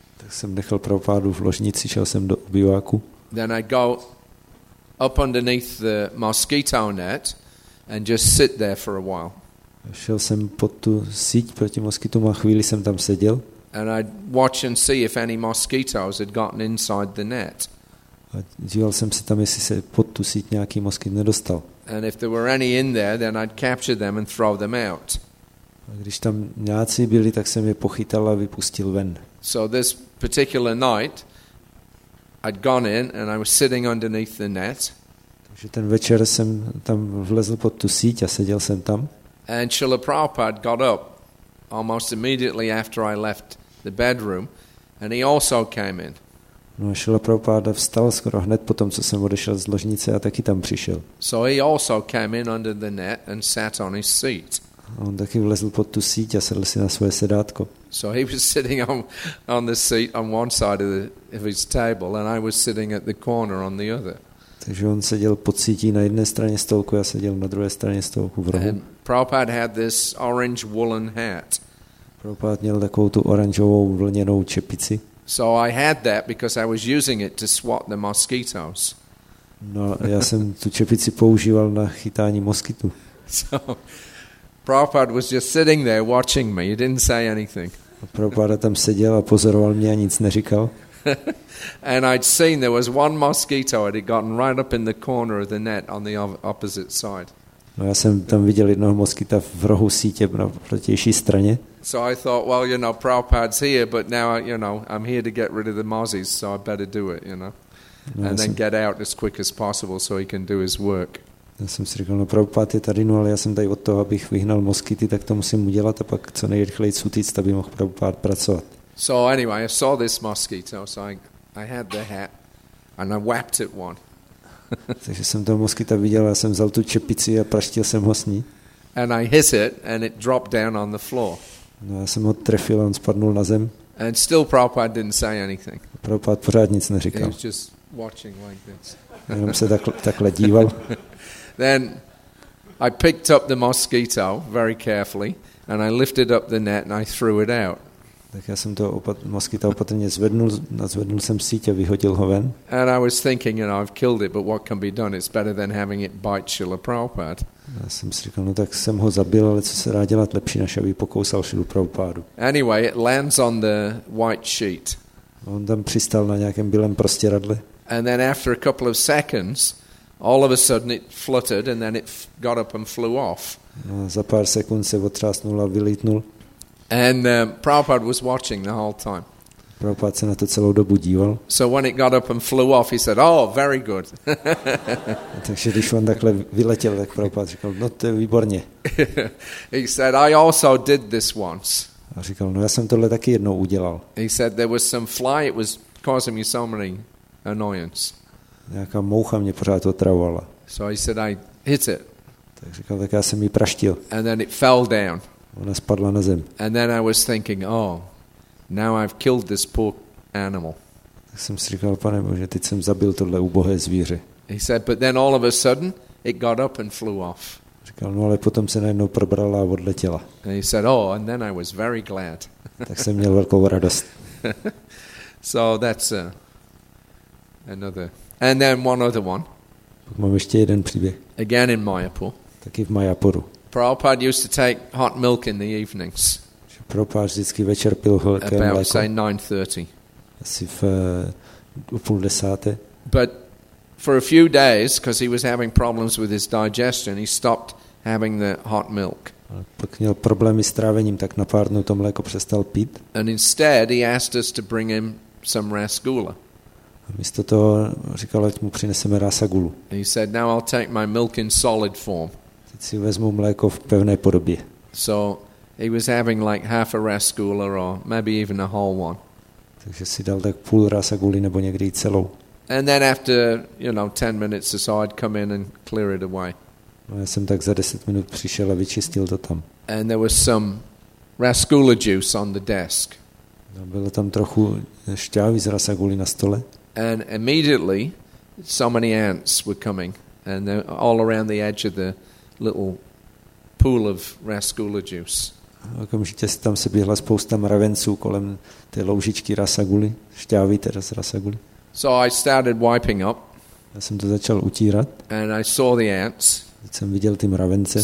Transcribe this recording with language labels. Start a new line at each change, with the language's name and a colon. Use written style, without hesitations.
Czech: Tak jsem nechal Prabhupádu v ložnici, šel jsem do obýváku.
English: Then I go up underneath the mosquito net and just sit there for a while.
Czech: Šel jsem pod tu síť proti moskytům a chvíli jsem tam seděl.
English: And I'd watch and see if any mosquitoes had gotten inside the net.
Czech: A díval jsem se tam, jestli se pod tu síť nějaký moskyt nedostal.
English: And if there were any in there, then I'd capture them and throw them out.
Czech: A když tam nějací byli, tak jsem je pochytal a vypustil ven.
English: So this particular night, I'd gone in and I was sitting underneath the net.
Czech: Takže ten večer jsem tam vlezl pod tu síť a seděl jsem tam.
English: And Srila Prabhupada got up almost immediately after I left the bedroom and he also came in.
Czech: No a Srila Prabhupada vstal skoro hned potom, co jsem odešel z ložnice a taky tam přišel.
English: So he also came in under the net and sat on his seat.
Czech: On taky vlezl pod tu síť a sedl si na svoje sedátko.
English: So he was sitting on the seat on one side of his table and I was sitting at the corner on the other.
Czech: Takže on seděl pod sítí na jedné straně stolku, já seděl na druhé straně stolku v rohu.
English: And Prabhupada had this orange woolen hat.
Czech: Prabhupada měl takovou tu oranžovou vlněnou čepici.
English: So I had that because I was using it to swat the mosquitoes.
Czech: No, já jsem tu čepici používal na chytání moskytů.
English: So Prabhupada was just sitting there watching me. He didn't say anything.
Czech: Prabhupada tam seděl a pozoroval mě a nic neříkal.
English: And I'd seen there was one mosquito that had gotten right up in the corner of the net on the opposite side.
Czech: No, já jsem tam viděl jednoho moskyta v rohu sítě na protější straně.
English: So I thought, well, you know, Prabhupada's here, but now, you know, I'm here to get rid of the mozzies, so I better do it, you know. No, and then get out as quick as possible so he can do his work.
Czech: Já jsem si řekl, no Prabhupád je tady, no ale já jsem tady od toho, abych vyhnal moskyty, tak to musím udělat a pak co nejrychleji utíct, aby mohl Prabhupád pracovat.
English: So anyway, I saw this mosquito, so I had the hat and I whapped it one.
Czech: Takže jsem toho moskyta viděl, já jsem vzal tu čepici a praštil jsem ho s ní.
English: And I hit it and it dropped down on the floor.
Czech: No, já jsem ho trefil a on spadnul na zem.
English: And still Prabhupád didn't say anything.
Czech: Prabhupád pořád nic neříkal.
English: He was just watching like this.
Czech: Jenom se takhle díval.
English: Then I picked up the mosquito very carefully and I lifted up the net and I threw it out.
Czech: Tak já jsem to moskyta opatrně zvednul, nazvednul jsem síť a vyhodil ho ven.
English: And I was thinking, you know, I've killed it, but what can be done? It's better than having it bite Srila Prabhupada.
Czech: Já jsem si říkal, no tak jsem ho zabil, ale co se dá dělat, lepší než aby pokousal Srila Prabhupádu.
English: Anyway, it lands on the white sheet.
Czech: On tam přistál na nějakém bílém prostěradle.
English: And then after a couple of seconds, all of a sudden it fluttered and then it got up and flew off.
Czech: No, za pár sekund se otřásnul a vylítnul.
English: And Prabhupada was watching the whole time.
Czech: Prabhupada se na to celou dobu díval.
English: So when it got up and flew off, he said, "Oh, very good."
Czech: Takže když on takhle vyletěl, tak Prabhupada říkal, no to je výborně.
English: He said, "I also did this once."
Czech: A říkal, no já jsem tohle taky jednou udělal.
English: He said, "There was some fly, it was causing me so many annoyance."
Czech: Nějaká moucha mě pořád otravovala.
English: So he said, "I hit it."
Czech: Tak říkal, tak já jsem ji praštil.
English: And then it fell down.
Czech: Ona spadla na zem.
English: And then I was thinking, oh, now I've killed this poor animal.
Czech: Tak jsem si říkal, pane bože, teď jsem zabil tohle ubohé zvíře.
English: He said, but then all of a sudden, it got up and flew off.
Czech: Říkal, no ale potom se najednou probrala a odletěla.
English: And he said, oh, and then I was very glad.
Czech: Tak jsem měl velkou radost.
English: So that's another. And then one other one.
Czech: Pak mám ještě jeden příběh.
English: Again in Mayapur.
Czech: Taky v Mayapuru.
English: Prabhupada used to take hot milk in the evenings.
Czech: Prabhupada vždycky večer pil horké mléko.
English: About, say, 9:30.
Czech: Asi v půl desáté.
English: But for a few days, because he was having problems with his digestion, he stopped having the hot milk.
Czech: Pak měl problémy s trávením, tak na pár dnů to mléko přestal pít.
English: And instead he asked us to bring him some rasgulla.
Czech: Místo toho říkal, ať mu přineseme rasagulu.
English: He said, now I'll take my milk in solid form.
Czech: Teď si vezmu mléko v pevné podobě.
English: So he was having like half a rasgulla or maybe even a whole one.
Czech: Takže si dal tak půl rasaguly nebo někdy celou.
English: And then after, you know, 10 minutes or so, I'd come in and clear it away.
Czech: No, já jsem tak za 10 minut přišel a vyčistil to tam.
English: And there was some rasgulla juice on the desk.
Czech: No, bylo tam trochu šťávy z rasaguly na stole.
English: And immediately so many ants were coming and they're all around the edge of the little pool of rasgulla juice.
Czech: Okamžitě tam se běhla spousta mravenců kolem té loužičky rasaguly, šťávy teda z rasaguly.
English: So I started wiping up.
Czech: Já jsem to začal utírat.
English: And I saw the ants.
Czech: Teď jsem viděl ty mravence.